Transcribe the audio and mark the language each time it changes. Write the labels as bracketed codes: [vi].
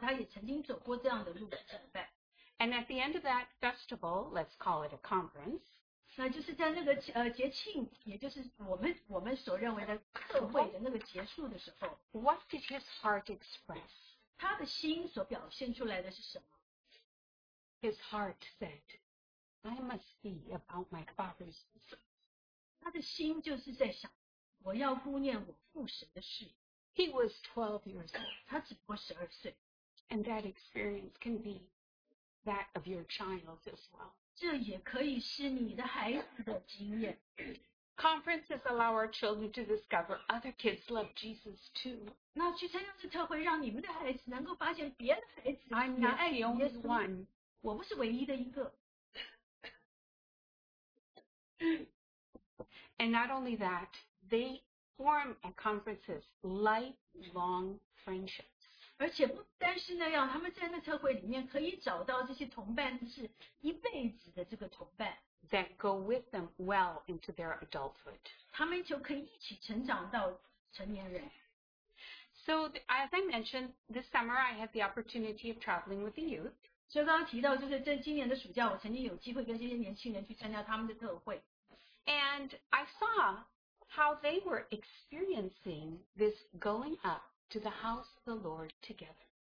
[zh] 那记不记得主耶稣他在12岁的时候，他也曾经走过这样的路，这样的。 [en] And at the end of that festival, let's call it a conference. [zh] 那就是在那个节庆，也就是我们所认为的特会的那个结束的时候。 [en] What did his heart express? [zh] 他的心所表现出来的是什么？ [en] His heart said, I must be about my father's business. [zh] 他的心就是在想，我要顾念我父神的事。 [en] He was 12 years old. [zh] 他只不过12岁。 [en] And that experience can be that of your child as well. [zh] 这也可以是你的孩子的经验。 [en] Conferences allow our children to discover other kids love Jesus too. [zh] 那去参加这特会，让你们的孩子能够发现别的孩子也爱耶稣。 [en] I'm not the only one. [zh] 我不是唯一的一个。 [en] And not only that, they form at conferences lifelong friendships. [zh] 而且不单是那样，他们在那特会里面可以找到这些同伴，是一辈子的这个同伴。 [en] That go with them well into their adulthood. [zh] 他们就可以一起成长到成年人。 [en] So as I mentioned, this summer I had the opportunity of traveling with the youth. [zh] 所以刚刚提到，就是在今年的暑假，我曾经有机会跟这些年轻人去参加他们的特会。 [en] And I saw how they were experiencing this going up to the house of the Lord together.